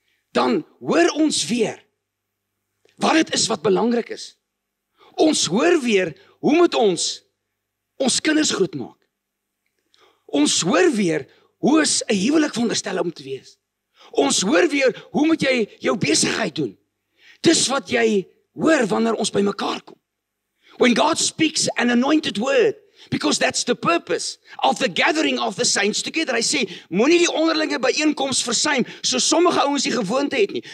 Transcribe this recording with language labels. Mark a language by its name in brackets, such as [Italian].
[Afrikaans] Dan hoor ons weer wat dit is wat belangrik is. Ons hoor weer hoe moet ons kinders groot maak. Ons hoor weer, hoe is 'n huwelik veronderstel om te wees? Ons hoor weer, hoe moet jy jou besigheid doen? Dis wat jy hoor wanneer ons by mekaar kom. [English] When God speaks an anointed word, because that's the purpose of the gathering of the saints together. [Afrikaans] Hy sê, moenie die onderlinge byeenkoms versuim, so sommige ouens die gewoonte het nie.